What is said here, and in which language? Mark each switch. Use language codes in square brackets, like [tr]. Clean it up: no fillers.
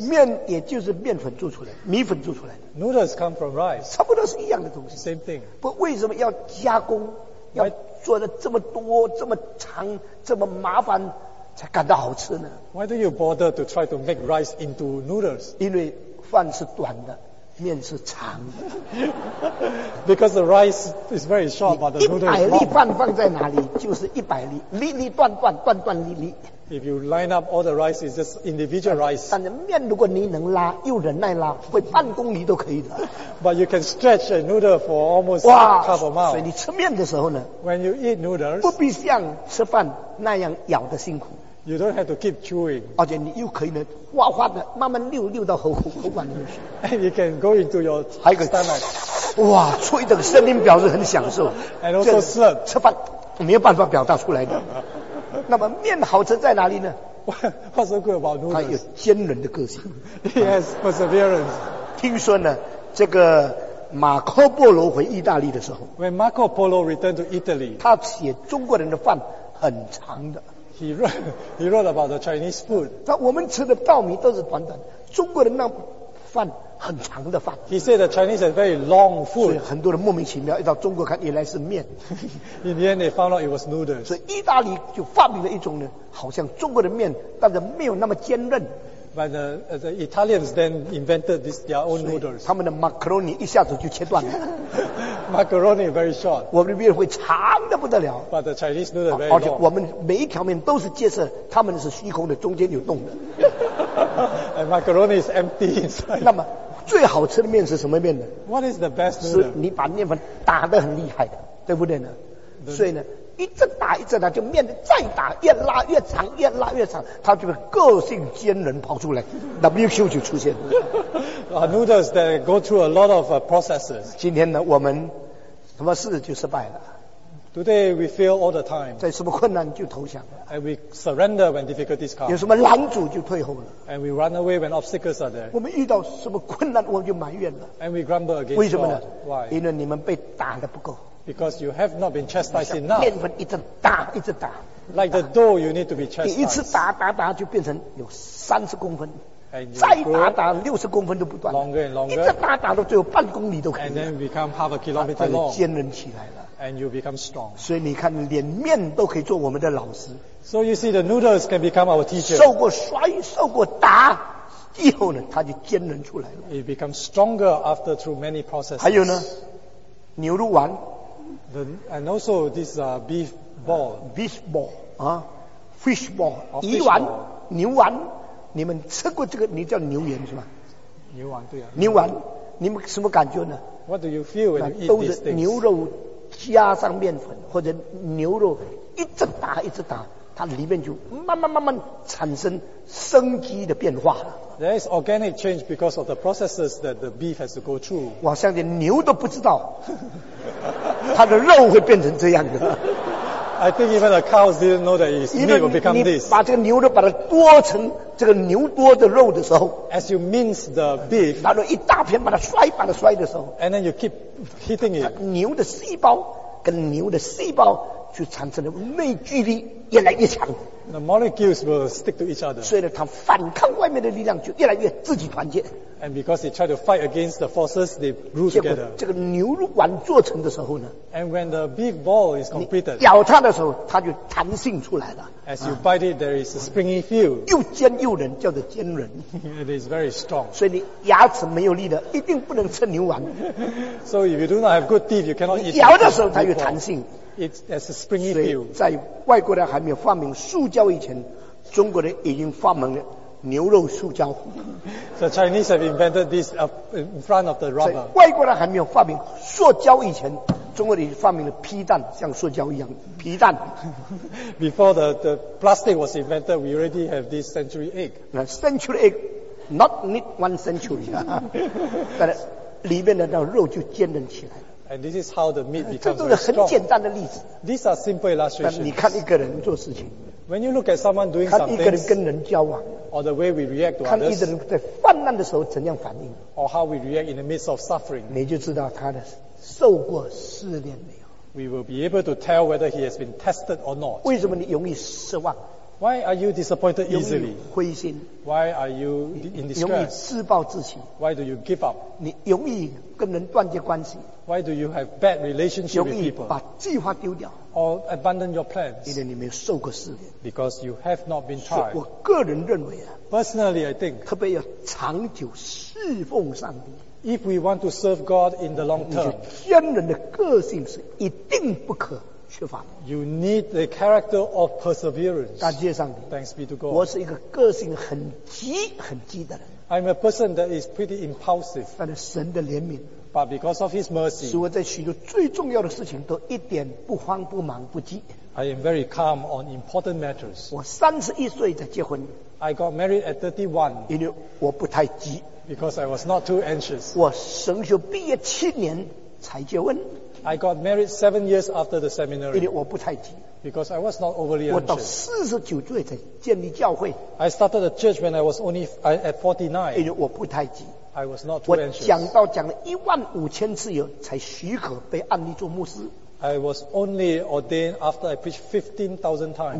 [zh] 面也就是面粉做出来，米粉做出来的。 [en] Noodles come from rice. [zh] 差不多是一样的东西。 [en] Same thing. [zh] 不，为什么要加工？要做的这么多、这么长、这么麻烦，才感到好吃呢 [en] ？Why do you bother to try to make rice into noodles? [zh] 因为饭是短的。面是长的 [en] ，because the rice is very short, but the noodle is long. [zh] 一百粒饭放在哪里就是一百粒，粒粒断断，断断粒粒。 [en] If you line up all the rice, it's just individual rice. [zh] 但是面如果你能拉，又忍耐拉，会半公里都可以的。 [en] But you can stretch a noodle for almost a cup of mouth. [zh] 所以你吃面的时候呢 [en] ？When you eat noodles, [zh] 不必像吃饭那样咬得辛苦。 [en] You don't have to keep chewing. [zh] 而且你又可以呢，哗哗的慢慢溜溜到喉管里面去。 [en] And you can go into your stomach. [zh] 还可以，哇，吹的声音表示很享受。 [en] And also slurp. [zh] 吃饭没有办法表达出来的。那么面好吃在哪里呢 [en] ？What's so good about noodles? [zh] 它有坚韧的个性。 [en] Yes, perseverance. [zh] 听说呢，这个马可波罗回意大利的时候 [en] ，When Marco Polo returned to Italy, [zh] 他写中国人的饭很长的。 [en] He wrote about the Chinese food. [zh] 但我们吃的稻米都是短短，中国人那饭很长的饭。 [en] He said the Chinese have very long food. [zh] 所以很多人莫名其妙一到中国看原来是面。 [en] In the end, they found out it was noodles. [zh] 所以意大利就发明了一种呢，好像中国的面，但是没有那么坚韧。 [en] But the Italians then invented this, their own noodles. [zh] 他们的 macaroni 一下子就切断了。 [en] macaroni very short. [zh] 我们的面会长得不得了。 [en] But the Chinese noodles very long. [zh] 而且我们每一条面都是结实，他们是虚空的，中间有洞的。 [en] And macaroni is empty inside. [zh] 那么最好吃的面是什么面呢 [en] ？What is the best noodle? [zh] 是你把面粉打得很厉害的，对不对呢？所以呢，一阵打一阵打，就面再打，越拉越长，越拉越长，它就个性坚韧跑出来，WQ 就出现了。 [en] Noodles that go through a lot of processes. [zh] 今天呢，我们什么事就失败了。 [en] Today we fail all the time. [zh] 在什么困难就投降了。 [en] And we surrender when difficulties come. [zh] 有什么拦阻就退后了。 [en] And we run away when obstacles are there. [zh] 我们遇到什么困难，我们就埋怨了。 [en] And we grumble against God. [zh] 为什么呢 [en] ？Why? [zh] 因为你们被打得不够。 [en] Because you have not been chastised enough. [zh] 面粉一直打，一直打。 [en] Like the dough, you need to be chastised. [zh] 一次打打打就变成有30公分。 [en] And [zh] 再打打60公分都不断。 [en] Longer and longer. [zh] 一直打打到最后半公里都可以。 [en] And then become half a kilometer long. [zh] 它就坚韧起来了。 [en] And you become strong. [zh] 所以你看，连面都可以做我们的老师。 [en] So you see, the noodles can become our teacher. [zh] 受过摔，受过打。以后呢，它就坚韧出来了。 [en] It becomes stronger after through many processes. [zh] 还有呢，牛肉丸。 [en] And also this beef ball. Beef ball. Fish ball. [zh] 鱼丸牛丸你们吃过这个你叫牛丸是吗牛丸对啊。牛丸你们什么感觉呢 [en] What do you feel when you eat these things? [zh] 都是牛肉加上面粉或者牛肉一直打一直打它里面就慢慢慢慢产生生机的变化了。 [en] There is organic change because of the processes that the beef has to go through. [zh] 我相信牛都不知道，它的肉会变成这样的。 [en] I think even the cows didn't know that its meat will become this. [zh] 因为你把这个牛肉把它剁成这个牛多的肉的时候 [en] ，as you mince the beef， [zh] 拿了一大片把它摔的时候 [en] ，and then you keep hitting it， [zh] 牛的细胞跟牛的细胞就产生了内聚力，越来越强。 [en] The molecules will stick to each other. [zh] 所以呢，他反抗外面的力量就越来越自己团结。 [en] And because they try to fight against the forces, they grew together. [zh] 结果这个牛肉丸做成的时候呢 [en] ，And when the big ball is completed, [zh] 咬它的时候，它就弹性出来了。 [en] As you bite it, there is a springy feel. [zh] 又坚又韧，叫做坚韧。 [en] It is very strong. [zh] 所以你牙齿没有力的，一定不能吃牛丸。 [en] So if you do not have good teeth, you cannot eat. [zh] 咬的时候它有弹性。 [en] It's as a springy feel. [zh] 所以在外国人还没有发明塑胶以前，中国人已经发明了。牛肉塑胶。 [en] The Chinese have invented this in front of the rubber. [zh] 外国人还没有发明塑胶以前，中国人发明了皮蛋，像塑胶一样皮蛋。 [en] Before the plastic was invented, we already have this century egg. Century egg, not need one century. [zh] 但里面的那肉就坚韧起来。 [en] And this is how the meat becomes strong. [zh] 这都是很简单的例子。 [en] These are simple illustrations. [zh] 但你看一个人做事情。 [en] When you look at someone doing something, [zh] 看一个人跟人交往 [en] ，or the way we react to others， [zh] 看一个人在患难的时候怎样反应 [en] ，or how we react in the midst of suffering， [zh] 你就知道他的受过试炼没有。 [en] We will be able to tell whether he has been tested or not。 [zh] 为什么你容易失望 [en] Why are you disappointed easily? [zh] 容易灰心, [en] Why are you in distress? [zh] 容易自暴自弃, [en] Why do you give up? [zh] 你容易跟人断绝关系, [en] Why do you have bad relationship with people? [zh] 容易把计划丢掉, [en] or abandon your plans? [zh] 因为你没有受过试炼, [en] because you have not been tried. [zh] 我个人认为啊, [en] Personally, I think, [zh] 特别要长久侍奉上帝, [en] if we want to serve God in the long term, [zh] 你是天人的个性是一定不可, [en] You need the character of perseverance. [zh] 感谢上帝, [en] Thanks be to God. [zh] 我是一个个性很急的人, [en] I'm a person that is pretty impulsive. [zh] 但是神的怜悯, [en] but because of His mercy, [zh] 使我在许多最重要的事情都一点不慌不忙不急, [en] I am very calm on important matters. [zh] 我31岁才结婚, [en] I got married at 31. [zh] 因为我不太急, [en] because I was not too anxious. [zh] 我神学毕业7年才结婚, [en] I got married 7 years after the seminary. [zh] 因为我不太急, [en] because I was not overly anxious. [zh] 我到49岁才建立教会, [en] I started the church when I was only at 49. [zh] 因为我不太急, [en] I was not too anxious. [zh] 我讲道讲了15,000次以后才许可被按立做牧师, [en] I was only ordained after I preached 15,000 times.